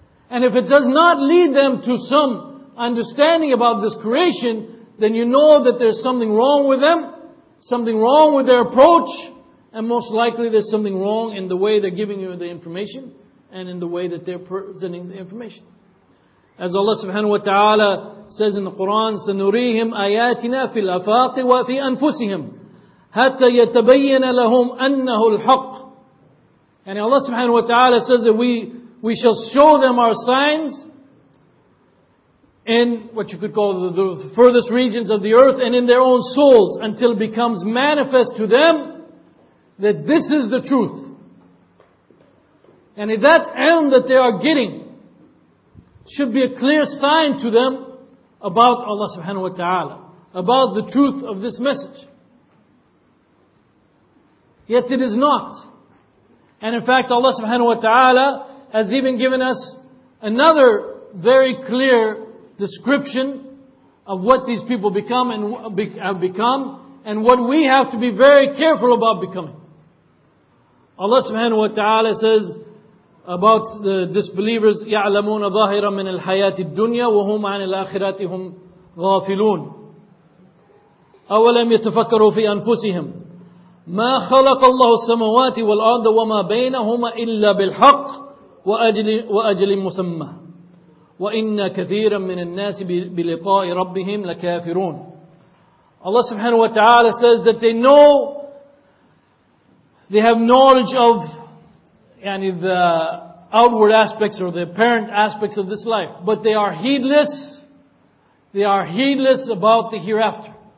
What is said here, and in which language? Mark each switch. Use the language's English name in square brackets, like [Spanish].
[English] And if it does not lead them to some understanding about this creation, then you know that there's something wrong with them, something wrong with their approach, and most likely there's something wrong in the way they're giving you the information and in the way that they're presenting the information. As Allah subhanahu wa ta'ala says in the Quran, [Arabic] سَنُرِيهِمْ آيَاتِنَا فِي الْأَفَاقِ وَفِي أَنفُسِهِمْ حَتَّى يَتَبَيَّنَ لَهُمْ أَنَّهُ الْحَقِّ. [English] And Allah subhanahu wa ta'ala says that we shall show them our signs in what you could call the furthest regions of the earth and in their own souls until it becomes manifest to them that this is the truth. And if that ilm that they are getting should be a clear sign to them about Allah subhanahu wa ta'ala, about the truth of this message. Yet it is not. And in fact, Allah subhanahu wa ta'ala has even given us another very clear description of what these people become and have become, and what we have to be very careful about becoming. Allah subhanahu wa ta'ala says about the disbelievers, [Arabic] يَعْلَمُونَ ظَاهِرًا مِنَ الْحَيَاةِ الدُّنْيَا وَهُمْ عَنِ الْآخِرَاتِ هُمْ غَافِلُونَ أَوَلَمْ يَتَفَكَّرُوا فِي أَنفُسِهِمْ مَا خَلَقَ اللَّهُ السَّمَوَاتِ وَالْأَرْضَ وَمَا بَيْنَهُمَا إِلَّا بِالْحَقِّ وَأَجْلٍ مُسَمَّى وَإِنَّ كَثِيرًا مِنَ النَّاسِ بِلِقَاءِ رَبِّهِمْ لَكَافِرُونَ. [English] Allah subhanahu wa ta'ala says that they know, they have knowledge of yani the outward aspects or the apparent aspects of this life, but they are heedless, they are heedless about the hereafter.